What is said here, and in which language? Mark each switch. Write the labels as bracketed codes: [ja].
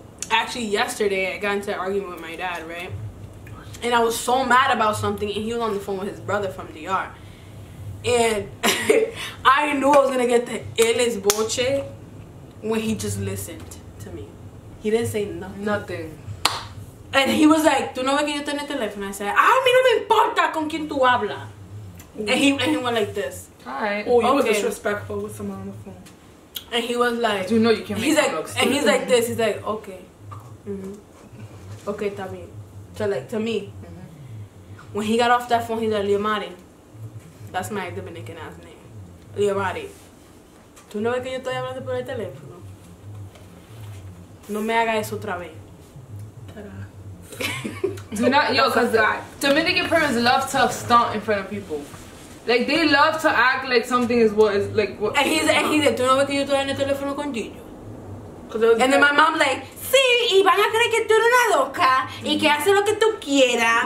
[en] Actually, yesterday, I got into an argument with my dad, right? And I was so mad about something, and he was on the phone with his brother from DR. And I knew I was going to get the illest bullshit when he just listened. He didn't say nothing. Nothing. And he was like, [es] "Tú no ves que yo tengo teléfono?" [en] I said, [es] "A mí no me importa con quién tú hablas." [en] And he went like this. All right. Oh, you okay. Was disrespectful with someone on the phone. And he was like, "You know you can't make he's like, looks." And he's like this. He's like, "Okay." Mm-hmm. Okay, [es] también. [en] So like to me, mm-hmm. when he got off that phone, he's like, "Leomaryt." That's my Dominican ass name. Leomaryt. [es] "Tú no ves que yo estoy hablando por el teléfono? No me haga eso otra vez." [en] Do not, yo, because Dominican parents love to stunt in front of people. Like, they love to act like something is what is, like, what. And he's like, [es] "Tú no ves que yo estoy en el teléfono con Gino?" [en] And then my mom, like, [es] "Sí, y van a creer que tú eres una loca y que haces lo que tú quieras."